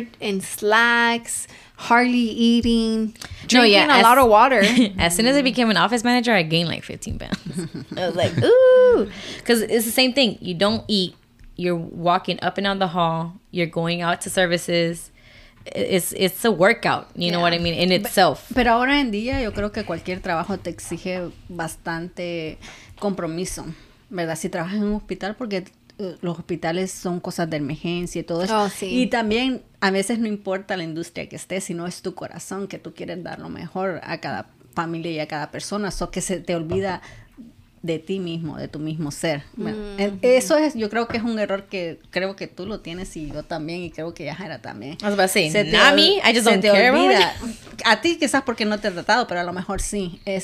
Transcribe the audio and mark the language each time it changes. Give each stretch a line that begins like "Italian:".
English: Mm-hmm. In slacks, hardly eating, drinking a lot of water. As soon as I became an office manager, I gained like 15 pounds. I was like, ooh. Because it's the same thing. You don't eat. You're walking up and down the hall. You're going out to services. It's a workout, you know what I mean, in itself.
Spanish: Pero ahora en día, yo creo que cualquier trabajo te exige bastante compromiso. ¿Verdad? Si trabajas en un hospital, porque los hospitales son cosas de emergencia y todo eso. Oh, sí. Y también a veces no importa la industria que estés, sino es tu corazón que tú quieres dar lo mejor a cada familia y a cada persona, eso que se te olvida de ti mismo, de tu mismo ser. Mm-hmm. Eso es, yo creo que es un error que creo que tú lo tienes y yo también, y creo que Yajaira también.
English: I was about to say, se te not me, I just don't care about
Spanish: it. A ti quizás porque no te he tratado, pero a lo mejor sí.